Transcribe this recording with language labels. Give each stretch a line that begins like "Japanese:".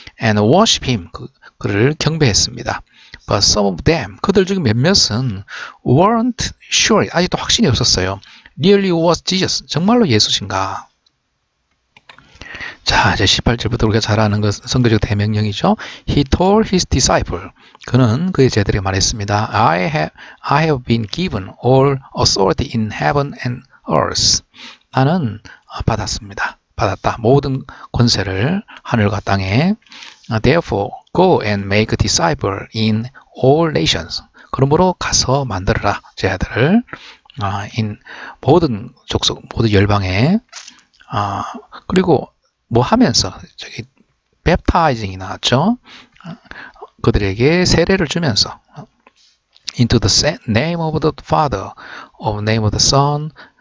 English: And worship him.
Korean: 그를 경배했습니다.
English: But some of them,
Korean: 그들 중 몇몇은
English: weren't sure.
Korean: 아직도 확신이 없었어요.
English: Really was Jesus.
Korean: 정말로 예수신가? 자, 이제 18절부터 우리가 잘 아는 것, 성경적 대명령이죠.
English: He told his disciple.
Korean: 그는 그의 제자들에게 말했습니다.
English: I have been given all authority in heaven and earth.
Korean: 나는 받았다. 모든 권세를 하늘과 땅에.
English: Therefore, go and make disciples in all nations.
Korean: 그러므로 가서 만들어라 제자들을 in 모든 족속, 모든 열방에. 그리고 뭐 하면서 저기 baptizing이 나왔죠. 그들에게 세례를 주면서
English: into the name of the Father, of the name of the Son.